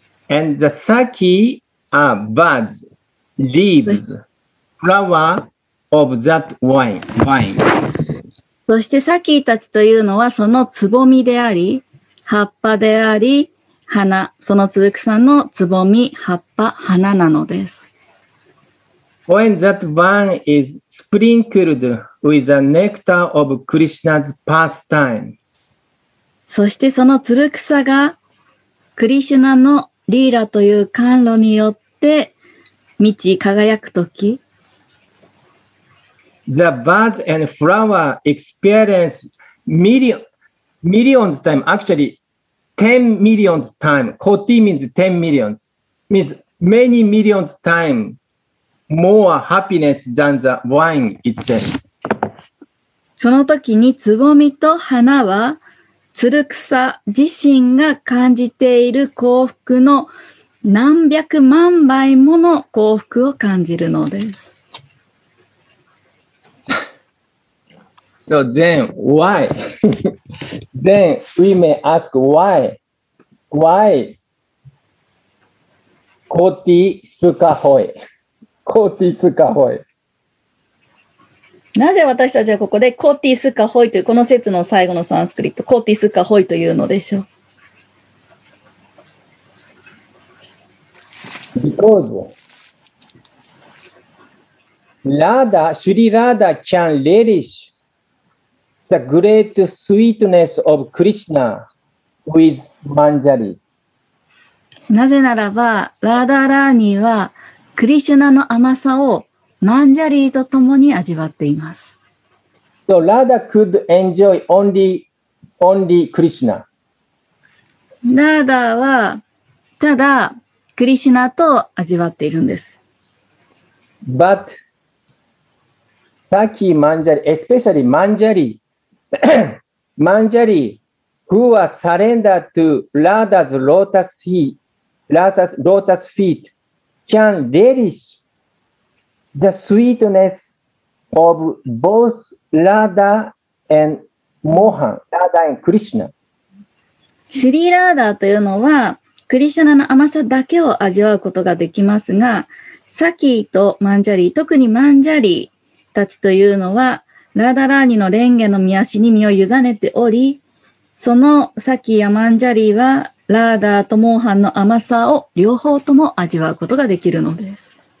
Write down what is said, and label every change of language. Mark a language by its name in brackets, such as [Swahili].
[English] And the Sakhi are buds, leaves, flower of that vine. [Japanese] そしてサキーたちというのはそのつぼみであり、葉っぱであり、花、そのつる草のつぼみ、葉っぱ、花なのです。 [English] When that vine is sprinkled with the nectar of Krishna's pastimes. [Japanese] そしてそのつる草がクリシュナのリーラという甘露によって満ち輝くとき。 [English] The buds and flower experience millions time, actually 10 millions time. Koti means 10 millions. Means many millions time. More happiness than the wine itself. [Japanese] その時につぼみと花はつる草自身が感じている幸福の何百万倍もの幸福を感じるのです。 [English] So then, why? Then we may ask why? [Bangla] Koti suka hoi. コーティスカホイ。 [Japanese] なぜ私たちはここでコーティスカホイというこの説の最後のサンスクリット、コーティスカホイというのでしょう。 [English] Because Radha, Sri Radha can relish the great sweetness of Krishna with Manjari. [Japanese] なぜならば、ラーダーラーニーはクリシュナの甘さをマンジャリーとともに味わっています。 [English] So Radha could enjoy only Krishna. [Japanese] Radha はただクリシュナと味わっているんです。 [English] But Sakhi Manjari, especially Manjari, Manjari who was surrendered to Radha's lotus feet, can relish the sweetness of both Radha and Mohan, Radha and Krishna. [Japanese] シリーラーダーというのはクリシュナの甘さだけを味わうことができますが、サキーとマンジャリー、特にマンジャリーたちというのはラーダラーニの蓮華の御足に身を委ねており、そのサキーやマンジャリーはラーダーとモーハンの甘さを両方とも味わうことができるのです。